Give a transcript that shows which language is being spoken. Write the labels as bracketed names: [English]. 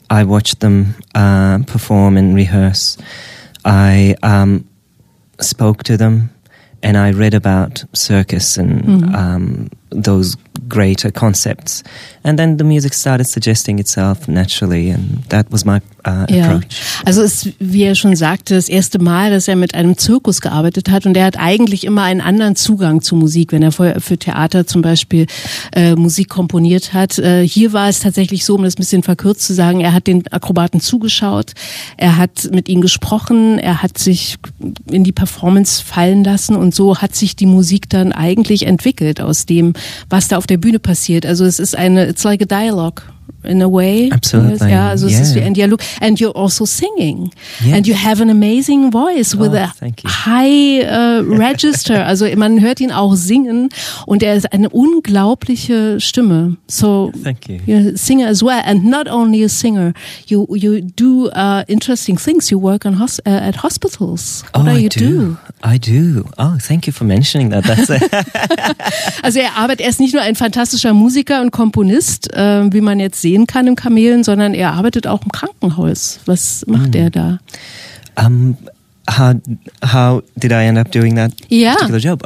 [English] I watched them perform and rehearse. I spoke to them. And I read about circus and those greater concepts. And then the music started suggesting itself naturally. And that was my approach. [German] Also es, wie er schon sagte, das erste Mal, dass er mit einem Zirkus gearbeitet hat. Und er hat eigentlich immer einen anderen Zugang zu Musik, wenn er vorher für Theater zum Beispiel Musik komponiert hat. Hier war es tatsächlich so, um das ein bisschen verkürzt zu sagen, er hat den Akrobaten zugeschaut. Er hat mit ihnen gesprochen. Er hat sich in die Performance fallen lassen. Und so hat sich die Musik dann eigentlich entwickelt aus dem, was da auf der Bühne passiert. Also es ist eine, [English] it's like a dialogue in a way. Absolutely. [German] Ja, also es ist wie ein Dialog. [English] And you're also singing. Yes. And you have an amazing voice with a high register. [German] Also man hört ihn auch singen und er ist eine unglaubliche Stimme. [English] So, thank you. You're a singer as well. And not only a singer, you do interesting things. You work on at hospitals. I do. Oh, thank you for mentioning that. That's [German] also er ist nicht nur ein fantastischer Musiker und Komponist, wie man jetzt sehen kann im Kamelen, sondern er arbeitet auch im Krankenhaus. Was macht er da? [English] How did I end up doing that particular job?